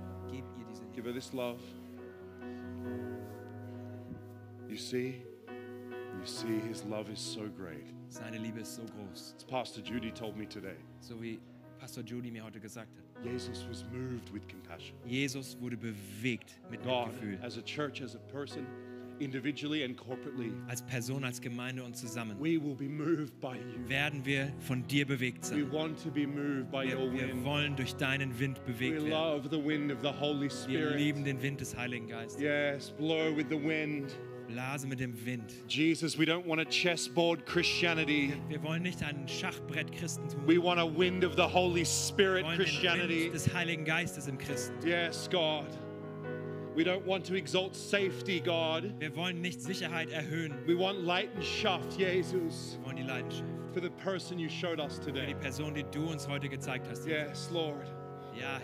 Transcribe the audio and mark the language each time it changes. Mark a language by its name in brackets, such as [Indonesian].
[German] Gib ihr diese Liebe. [English] Give her this love. You see? You see, his love is so great. [German] Seine Liebe ist so groß. [English] It's Pastor Judy told me today. [German] So wie Pastor Judy mir heute gesagt hat. [English] Jesus was moved with compassion. [German] Jesus wurde bewegt mit Mitgefühl. [English] As a church, as a person, individually and corporately. [German] Als Person, als Gemeinde und zusammen. [English] We will be moved by you. [German] Werden wir von dir bewegt sein. [English] We want to be moved by your wind. [German] Wir wollen durch deinen Wind bewegt werden. [English] We love the wind of the Holy Spirit. [German] Wir lieben den Wind des Heiligen Geistes. [English] Yes, blow with the wind. [German] Blase mit dem Wind. [English] Jesus, we don't want a chessboard Christianity. [German] Wir wollen nicht ein Schachbrett Christentum. [English] We want a wind of the Holy Spirit Christianity. [German] Wir wollen den Wind des Heiligen Geistes im Christentum. [English] Yes, God. We don't want to exalt safety, God. [German] Wir wollen nicht Sicherheit erhöhen. [English] We want Leidenschaft, Jesus. [German] Wir wollen die Leidenschaft. [English] For the person you showed us today. [German] Für die Person, die du uns heute gezeigt hast. [English] Yes, Lord. [German] Ja.